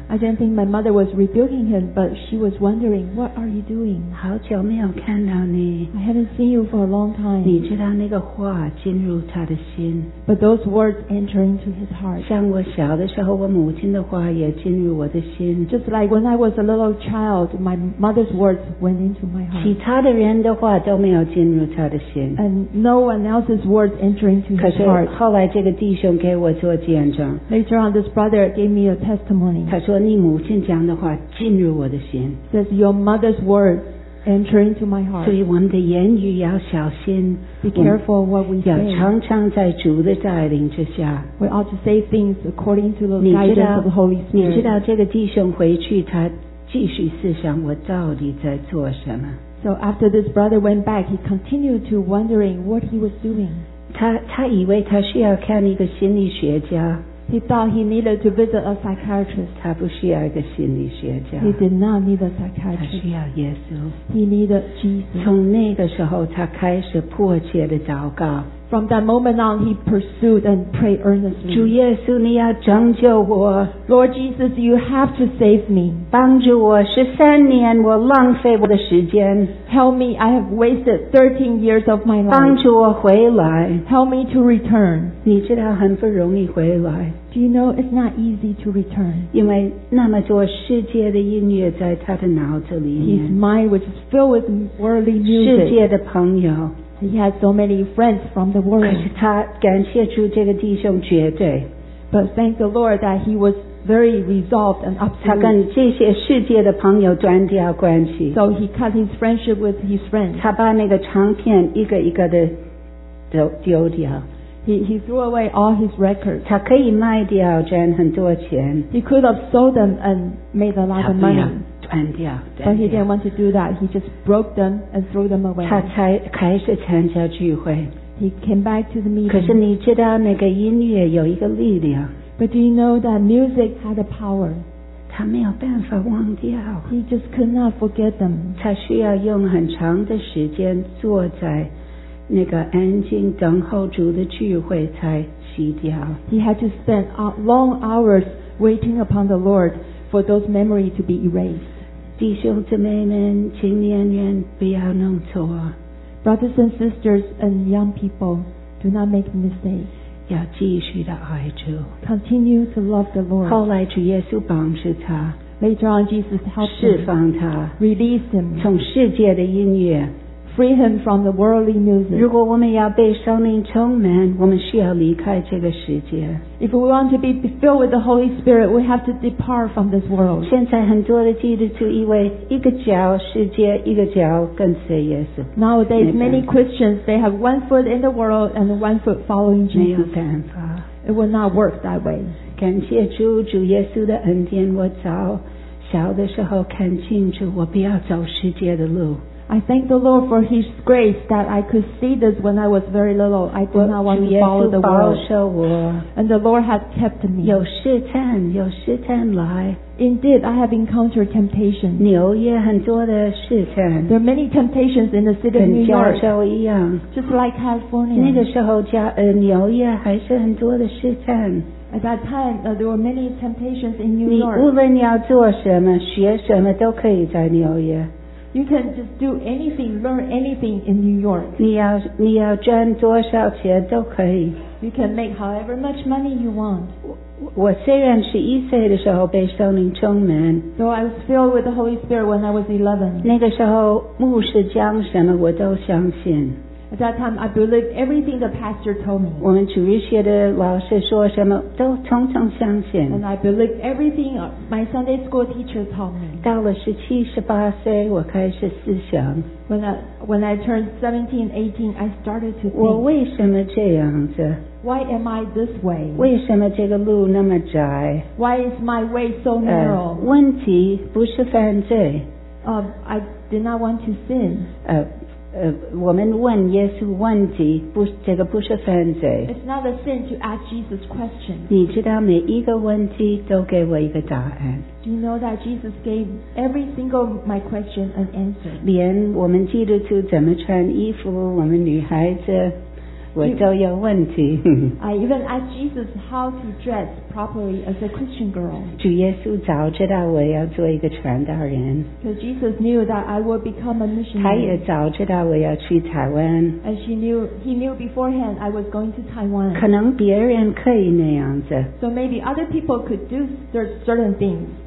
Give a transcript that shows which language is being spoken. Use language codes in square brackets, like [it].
[en] I don't think my mother was rebuking him, but she was wondering, what are you doing? [zh] 好久没有看到你。 [en] I haven't seen you for a long time. [zh] 你知道那个话进入他的心。 [en] But those words enter into his heart. [zh] 像我小的时候，我母亲的话也进入我的心。 [en] Just like when I was a little child, my mother's words went into my heart. [zh] 其他的人的话都没有进入他的心。 [en] And no one else's words enter into his heart. [zh] 可是后来这个弟兄给我做见证。 [en] Later on, this brother gave me a testimony. [zh] 他说你母亲讲的话进入我的心。 [en] Says your mother's words enter into my heart. [zh] 所以我们的言语要小心。 [en] Be careful what we say. [zh] 要常常在主的带领之下。 [en] We ought to say things according to the guidance of the Holy Spirit. [zh] 你知道这个弟兄回去，他继续思想我到底在做什么。 [en] So after this brother went back, he continued to wondering what he was doing. [zh] 他以为他需要看一个心理学家。 [en] He thought he needed to visit a psychiatrist. [zh] 他不需要一个心理学家。 [en] He did not need a psychiatrist. [zh] 他需要耶稣。 [en] He needed Jesus. [zh] 从那个时候，他开始迫切的祷告。 [en] From that moment on, he pursued and prayed earnestly. [zh] 主耶稣，你要拯救我。 [en] Lord Jesus, you have to save me. [zh] 帮助我，13年我浪费我的时间。 [en] Help me, I have wasted 13 years of my life. [zh] 帮助我回来。 [en] Help me to return. [zh] 你知道很不容易回来。 [en] Do you know it's not easy to return? [zh] 因为那么多世界的音乐在他的脑子里面。 [en] His mind was filled with worldly music. [zh] 世界的朋友。 [en] He has so many friends from the world. [zh] 可是他感谢主这个弟兄绝对。 [en] But thank the Lord that he was very resolved and absolute. [zh] 他跟这些世界的朋友断掉关系。 [en] So he cut his friendship with his friends. [zh] 他把那个唱片一个一个的丢掉。 [en] He threw away all his records. [zh] 他可以卖掉赚很多钱。 [en] He could have sold them and made a lot of money. [zh] 断掉，但 [en] he didn't want to do that. He just broke them and threw them away. [zh] 他才开始参加聚会。 [en] He came back to the meeting. [zh] 可是你知道那个音乐有一个力量。 [en] But do you know that music had a power? [zh] 他没有办法忘掉。 [en] He just could not forget them. [zh] 他需要用很长的时间坐在那个安静等候主的聚会才熄掉。 [en] He had to spend long hours waiting upon the Lord. For those memories to be erased. [zh] 弟兄姊妹们，青年人，不要弄错。 [en] Brothers and sisters and young people, do not make mistakes. [zh] 要继续的爱主。 [en] Continue to love the Lord. [zh] 后来主耶稣帮助他。 [en] Later on, Jesus helped him. [zh] 释放他。 [en] Release him. [zh] 从世界的音乐。 [en] Free him from the worldly music. [zh] 如果我们要被圣灵充满，我们需要离开这个世界。 [en] If we want to be filled with the Holy Spirit, we have to depart from this world. [zh] 现在很多的基督徒以为一个脚世界，一个脚跟随耶稣。 [en] Nowadays, many Christians they have one foot in the world and one foot following Jesus. [zh] 没有办法。 [en] It will not work that way. [zh] 感谢主，主耶稣的恩典，我早小的时候看清楚，我不要走世界的路。 [en] I thank the Lord for His grace that I could see this when I was very little. I did not want to follow the world. And the Lord has kept me. [zh] 有试探来。 [en] Indeed, I have encountered temptation. [zh] 纽约很多的试探。 [en] There are many temptations in the city of New York. [zh] 跟加州一样。 [en] Just like California. [zh] 那个时候纽约还是很多的试探。 [en] At that time, there were many temptations in New York. [zh] 你无论你要做什么、学什么都可以在纽约。 [en] You can just do anything, learn anything in New York. [zh] 你要赚多少钱都可以。 [en] You can make however much money you want. [zh] 我虽然11岁的时候被圣灵充满。 [en] So I was filled with the Holy Spirit when I was 11. [zh] 那个时候牧师讲什么我都相信。 [en] At that time, I believed everything the pastor told me. [zh] 我们主日学的老师说什么都统统相信。 [en] And I believed everything my Sunday school teacher told me. [zh] 到了17、18岁，我开始思想。 [en] When I turned 17, 18, I started to think. [zh] 我为什么这样子？ [en] Why am I this way? [zh] 为什么这个路那么窄？ [en] Why is my way so narrow? [zh] 问题不是犯罪。 [en] I did not want to sin. [zh] 我们问耶稣问题，不，这个不是犯罪。 [en] It's not a sin to ask Jesus questions. [zh] 你知道每一个问题都给我一个答案。 [en] Do you know that Jesus gave every single my question an answer? [zh] 连我们基督徒怎么穿衣服，我们女孩子，我都有问题。 [en] I even asked Jesus how to dress properly as a Christian girl. [zh] 主耶稣早知道我要做一个传道人。 [en] Because Jesus knew that I would become a missionary. [zh] 他也早知道我要去台湾。 [en] And he knew beforehand I was going to Taiwan. [zh] 可能别人可以那样子。 [en] So maybe other people could do certain things.